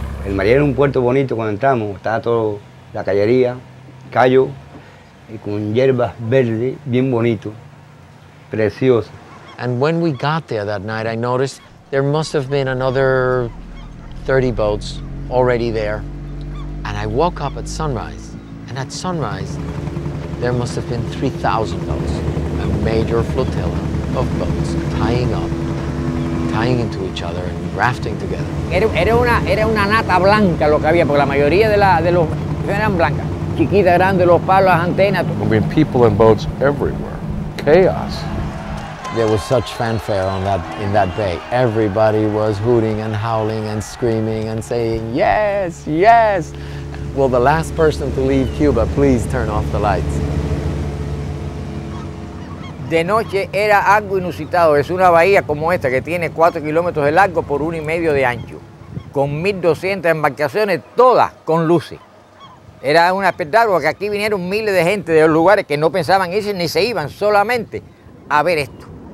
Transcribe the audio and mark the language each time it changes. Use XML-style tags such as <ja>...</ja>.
<es>Mariel era un puerto bonito cuando entramos, estaba todo la callería, callo, y con hierbas verdes, bien bonito, precioso.</es> <en>And when we got there that night, I noticed there must have been another 30 boats already there. And I woke up at sunrise, and at sunrise, there must have been 3,000 boats, a major flotilla of boats tying up, tying into each other and rafting together.</en> <es>Era una nata blanca lo que había, porque la mayoría de los eran blancas. Chiquita, grande, los palos, antenas.</es> <en>I mean, people and boats everywhere. Chaos. There was such fanfare in that bay. Everybody was hooting and howling and screaming and saying, yes, yes. Will the last person to leave Cuba please turn off the lights?</en> <es>De noche era algo inusitado. Es una bahía como esta que tiene 4 kilómetros de largo por 1.5 de ancho, con 1.200 embarcaciones, todas con luces. Era un espectáculo, que aquí vinieron miles de gente de los lugares que no pensaban irse ni se iban solamente a ver esto.</es>